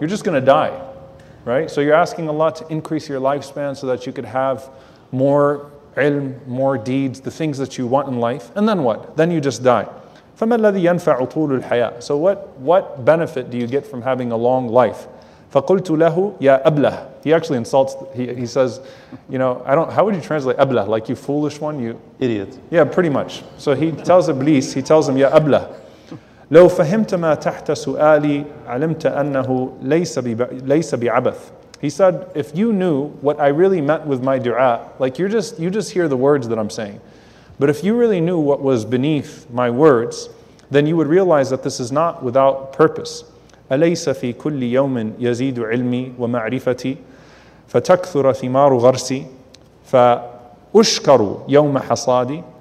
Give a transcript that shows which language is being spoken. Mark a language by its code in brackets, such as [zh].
[en] You're just going to die, right? So you're asking Allah to increase your lifespan so that you could have more ilm, more deeds, the things that you want in life. And then what? Then you just die. [ar] فَمَا الَّذِي يَنْفَعُ طُولُ الْحَيَاةِ. [en] So what benefit do you get from having a long life? [ar] فَقُلْتُ لَهُ يَا أَبْلَهُ. [en] He actually insults, he says, you know, how would you translate أبله? Like, you foolish one, you idiot. Yeah, pretty much. So he tells Iblis, he tells him, [ar] يَا أَبْلَهُ لَوْ فَهِمْتَ مَا تَحْتَ سُؤَالِي عَلِمْتَ أَنَّهُ لَيْسَ بِعَبَثُ. [en] He said, if you knew what I really meant with my dua, like you just hear the words that I'm saying. But if you really knew what was beneath my words, then you would realize that this is not without purpose. [ar] أَلَيْسَ فِي كُلِّ يَوْمٍ يَزِيدُ عِلْمِي وَمَعْرِفَتِي فَتَكْثُرَ ثِمَارُ غَرْسِي فَأُشْكَرُ يَوْمَ حَصَادِي.